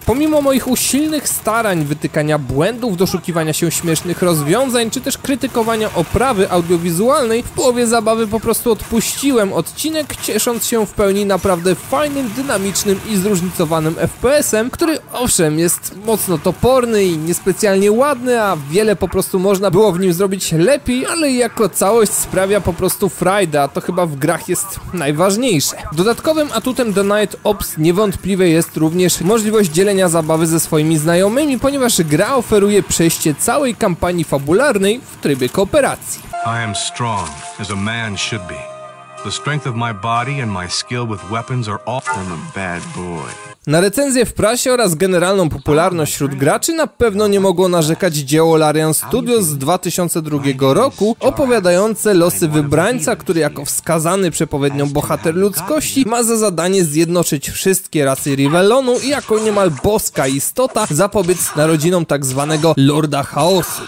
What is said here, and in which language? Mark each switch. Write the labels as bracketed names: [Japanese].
[Polish] Pomimo moich usilnych starań wytykania błędów, doszukiwania się śmiesznych rozwiązań, czy też krytykowania oprawy audiowizualnej, w połowie zabawy po prostu odpuściłem odcinek, ciesząc się w pełni naprawdę fajnym, dynamicznym i zróżnicowanym FPS-em, który owszem jest mocno toporny i niespecjalnie ładny, a wiele po prostu można było w nim zrobić lepiej, ale jako całość sprawia po prostu frajdę, a to chyba w grach jest najważniejsze. Dodatkowym atutem The Night Ops niewątpliwie jest również możliwość dzielenia zabawy ze swoimi znajomymi, ponieważ gra oferuje przejście całej kampanii fabularnej w trybie kooperacji. [English] I am strong, as a man should be. The strength of my body and my skill with weapons are often a bad boy. [Polish] Na recenzję w prasie oraz generalną popularność wśród graczy na pewno nie mogło narzekać dzieło Larian Studios z 2002 roku, opowiadające losy wybrańca, który jako wskazany przepowiednią bohater ludzkości ma za zadanie zjednoczyć wszystkie rasy Rivellonu i jako niemal boska istota zapobiec narodzinom tak zwanego Lorda Chaosu.